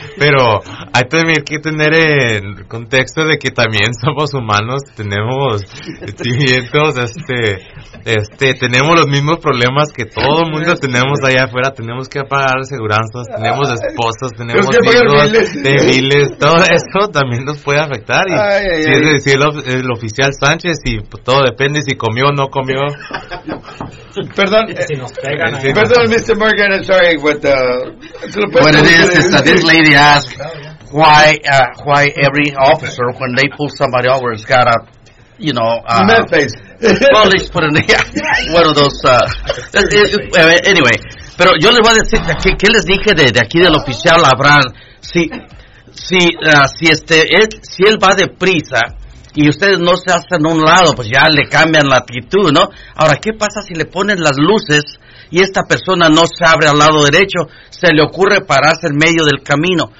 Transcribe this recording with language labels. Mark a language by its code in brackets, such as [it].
[es] Pero hay también que tener en contexto de que también somos humanos, tenemos sentimientos, tenemos los mismos problemas que todo el mundo tenemos allá afuera. Tenemos que pagar aseguranzas, tenemos esposas, tenemos hijos, débiles, todo eso también nos puede afectar. Y si es decir, el oficial Sánchez, y todo depende si comió o no comió. Perdón, si nos pegan, sí, perdón, [en] Mr. Morgan, I'm sorry, but what it is is that this lady asked why every officer, when they pull somebody over, has got a, you know, face. Well, let's put it in the, yeah, one of those. [es] Anyway, pero yo les voy a decir que les dije de aquí del oficial Abraham. Si él va deprisa y ustedes no se hacen a un lado, pues ya le cambian la actitud, ¿no? Ahora, ¿qué pasa si le ponen las luces y esta persona no se abre al lado derecho, se le ocurre pararse en medio del camino?